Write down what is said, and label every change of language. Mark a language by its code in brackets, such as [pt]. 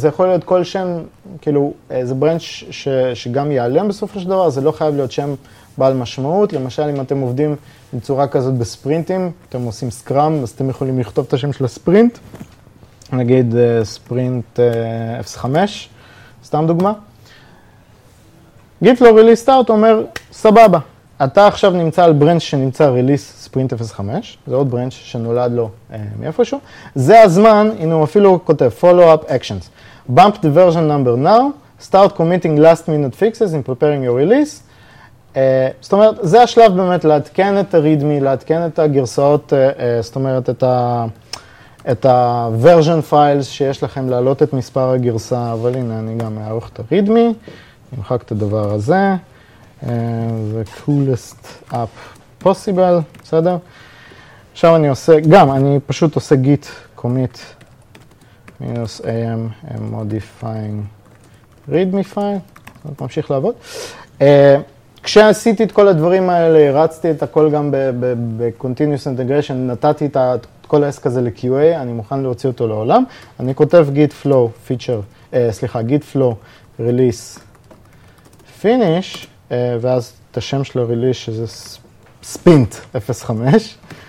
[he] זה יכול להיות כל שם, כאילו, זה ברנץ' שגם ייעלם בסופו של דבר, זה לא חייב להיות שם בעל משמעות. למשל, אם אתם עובדים בצורה כזאת בספרינטים, אתם עושים סקראם, אז אתם יכולים לכתוב את השם של הספרינט, נגיד ספרינט 05, סתם דוגמה. git flow release start אומר, סבבה. אתה עכשיו נמצא על ברנץ' שנמצא ריליס ספרינט 05, זה עוד ברנץ' שנולד לו מאיפשהו. זה הזמן, הנה הוא אפילו כותב, follow-up actions. [en] Bump the version number now, start committing last-minute fixes in preparing your release. [he] זאת אומרת, זה השלב באמת להתקן את ה-readme, להתקן את הגרסאות, זאת אומרת, את ה-version files שיש לכם להעלות את מספר הגרסה, אבל הנה אני גם אערוך את ה-readme, נמחק את הדבר הזה. [en] The coolest app possible, בסדר? [he] עכשיו אני עושה, גם, אני פשוט עושה git commit minus am modifying readme file, זאת ממשיך לעבוד. כשעשיתי את כל הדברים האלה, הרצתי את הכל גם ב-continuous integration, נתתי את כל ה-S כזה ל-QA, אני מוכן להוציא אותו לעולם, אני כותב git flow feature, git flow release finish, ואז את השם של הריליס שזה ספינט 05.